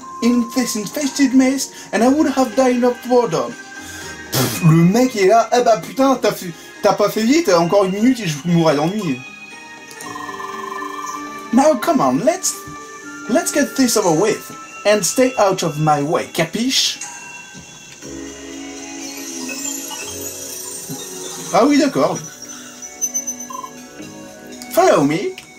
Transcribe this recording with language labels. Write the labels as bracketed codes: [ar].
[en] in this infested maze, and I would have died of boredom. [fr] Pff, le mec est là, eh bah putain, t'as pas fait vite, encore une minute et je mourrais d'ennui. [en] Now come on, let's get this over with, and stay out of my way, capiche? [fr] Ah oui, d'accord. [en] Follow me.